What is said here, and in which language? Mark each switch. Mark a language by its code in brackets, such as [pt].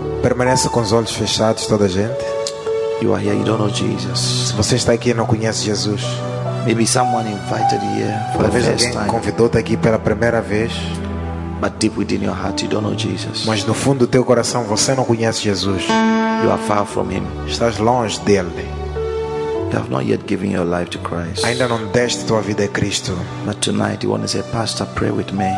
[pt] Permaneça com os olhos fechados, toda a gente. [en] You are here, you don't know Jesus. [pt] Se você está aqui e não conhece Jesus, [en] maybe someone invited you for the first time. [pt] Convidou-te aqui pela primeira vez. [en] But deep within your heart, you don't know Jesus. [pt] Mas no fundo do teu coração, você não conhece Jesus. [en] You are far from him. [pt] Estás longe dele. [en] You have not yet given your life to Christ. [pt] Ainda não deste tua vida a Cristo. [en] But tonight you want to say, Pastor, pray with me.